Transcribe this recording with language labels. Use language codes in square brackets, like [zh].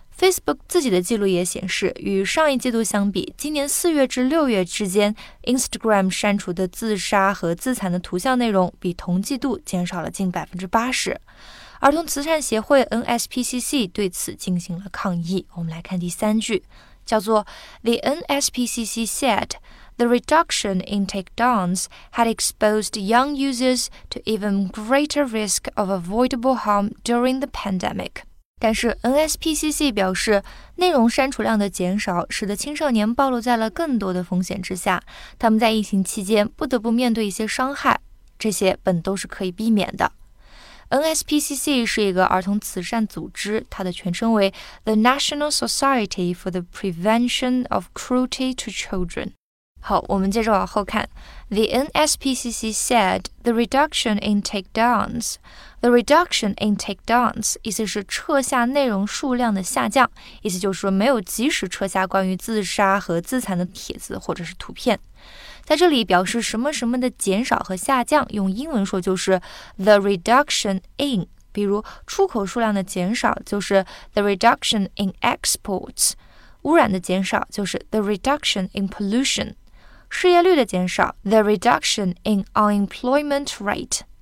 [zh] Facebook 自己的记录也显示，与上一季度相比，今年4月至6月之间 Instagram 删除的自杀和自残的图像内容比同季度减少了近 80%。儿童慈善协会 NSPCC 对此进行了抗议。我们来看第三句，叫做 [en] The NSPCC said the reduction in takedowns had exposed young users to even greater risk of avoidable harm during the pandemic。 [zh] 但是 NSPCC 表示，内容删除量的减少使得青少年暴露在了更多的风险之下，他们在疫情期间不得不面对一些伤害，这些本都是可以避免的。 NSPCC 是一个儿童慈善组织，它的全称为 The National Society for the Prevention of Cruelty to Children。好，我们接着往后看。 [en] The NSPCC said the reduction in takedowns. The reduction in takedowns [zh] 意思是撤下内容数量的下降，意思就是说没有及时撤下关于自杀和自残的帖子或者是图片。在这里表示什么什么的减少和下降，用英文说就是 the reduction in， 比如出口数量的减少就是 [en] the reduction in exports， [zh] 污染的减少就是 [en] the reduction in pollution， [zh] 失业率的减少 [en] The reduction in unemployment rate。